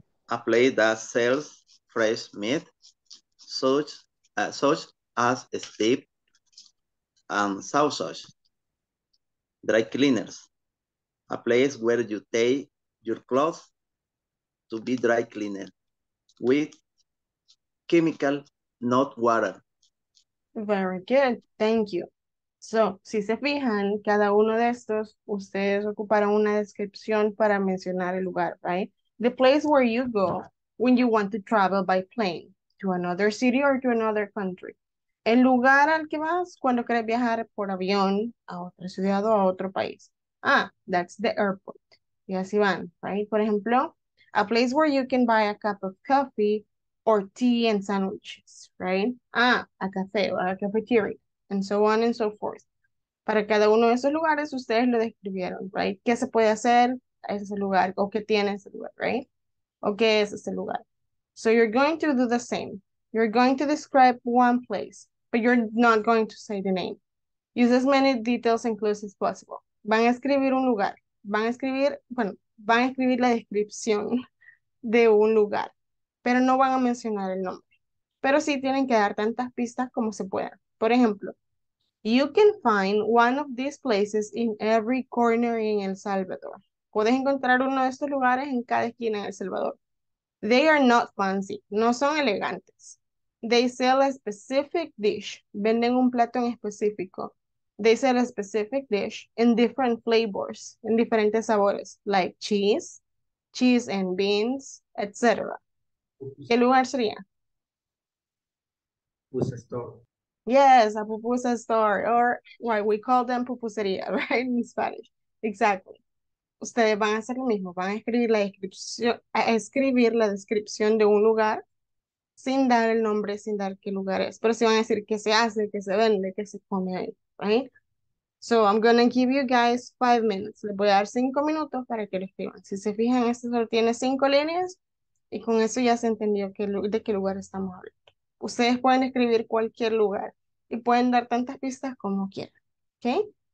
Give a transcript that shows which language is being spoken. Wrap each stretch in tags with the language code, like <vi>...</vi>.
<en>A place that sells fresh meat, such as steak and sausage. Dry cleaners, a place where you take your clothes to be dry cleaned with chemical, not water. Very good, thank you.</en> <es>So, si se fijan, cada uno de estos, ustedes ocuparon una descripción para mencionar el lugar, right?</es> <en>The place where you go when you want to travel by plane to another city or to another country.</en> <es>El lugar al que vas cuando quieres viajar por avión a otra ciudad o a otro país.</es> <en>Ah, that's the airport.</en> <es>Y así van,</es> <en>right?</en> <es>Por ejemplo,</es> <en>a place where you can buy a cup of coffee or tea and sandwiches, right? Ah, a café o a cafetería, and so on and so forth.</en> <es>Para cada uno de esos lugares, ustedes lo describieron, right? ¿Qué se puede hacer a ese lugar? ¿O qué tiene ese lugar, right? ¿O qué es ese lugar?</es> <en>So you're going to do the same. You're going to describe one place, but you're not going to say the name. Use as many details and clues as possible.</en> <es>Van a escribir un lugar. Van a escribir, bueno, van a escribir la descripción de un lugar, pero no van a mencionar el nombre. Pero sí tienen que dar tantas pistas como se puedan. Por ejemplo,</es> <en>you can find one of these places in every corner in El Salvador.</en> <es>Puedes encontrar uno de estos lugares en cada esquina en El Salvador.</es> <en>They are not fancy.</en> <es>No son elegantes.</es> <en>They sell a specific dish.</en> <es>Venden un plato en específico.</es> <en>They sell a specific dish in different flavors,</en> <es>en diferentes sabores,</es> <en>like cheese, cheese and beans, etc.</en> <es>¿Qué lugar sería?</es> <en>Pupusa store. Yes, a pupusa store, or why we call them pupusería, right, in Spanish. Exactly.</en> <es>Ustedes van a hacer lo mismo, van a escribir la descripción, a escribir la descripción de un lugar sin dar el nombre, sin dar qué lugar es, pero sí van a decir qué se hace, qué se vende, qué se come ahí, right?</es> <en>So I'm going to give you guys 5 minutes.</en> <es>Les voy a dar 5 minutos para que lo escriban. Si se fijan, este solo tiene 5 líneas y con eso ya se entendió de qué lugar estamos hablando. Ustedes pueden escribir cualquier lugar y pueden dar tantas pistas como quieran, okay?</es>